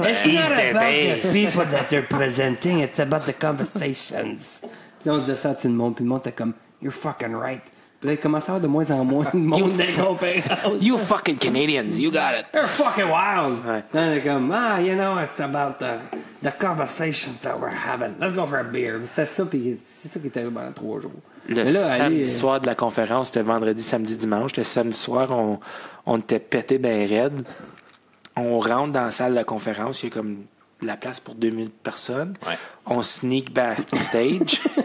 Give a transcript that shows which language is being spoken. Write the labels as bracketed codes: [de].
[en] It's not about the people that they're presenting, it's about the conversations. [fr] Puis on disait ça à tout le monde, puis le monde était comme, [en] you're fucking right. [fr] Là, il commence à avoir de moins en moins de monde dans les conférences. [en] You fucking Canadians, you got it. They're fucking wild. [fr] Ouais. Là, il est comme, [en] you know, it's about the conversations that we're having. Let's go for a beer. [fr] C'était ça, puis c'est ça qui est arrivé pendant 3 jours. Le samedi soir de la conférence, c'était vendredi, samedi, dimanche. Le samedi soir, on était pété ben raide. On rentre dans la salle de la conférence, il y a comme de la place pour 2000 personnes. Ouais. On sneak backstage.